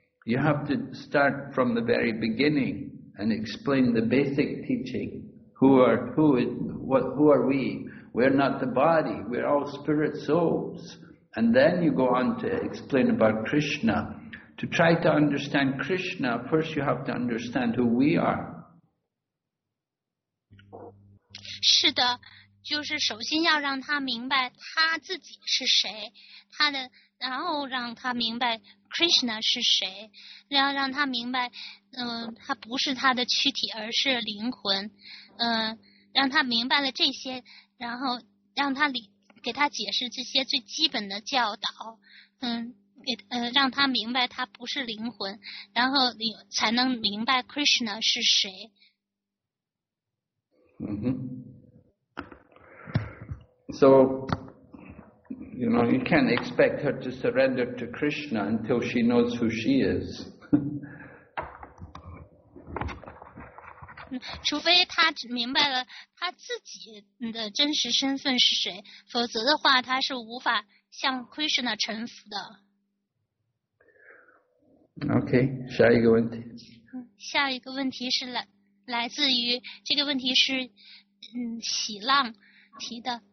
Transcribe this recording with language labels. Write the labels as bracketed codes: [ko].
[en] You have to start from the very beginning and explain the basic teaching. Who are we? We're not the body, we're all spirit souls. And then you go on to explain about Krishna. To try to understand Krishna, first you have to understand who we are. [zh] 是的，就是首先要让他明白他自己是谁，他的，然后让他明白 Krishna 是谁，要让他明白，他不是他的躯体，而是灵魂，让他明白了这些，然后让他给他解释这些最基本的教导，让他明白他不是灵魂，然后才能明白 Krishna 是谁。嗯哼。 [en] So, you know, you can't expect her to surrender to Krishna until she knows who she is. [zh] 除非她明白了她自己的真实身份是谁，否则的话，她是无法向 Krishna 臣服的。 Okay, 下一个问题。下一个问题是来自于这个问题是喜浪提的。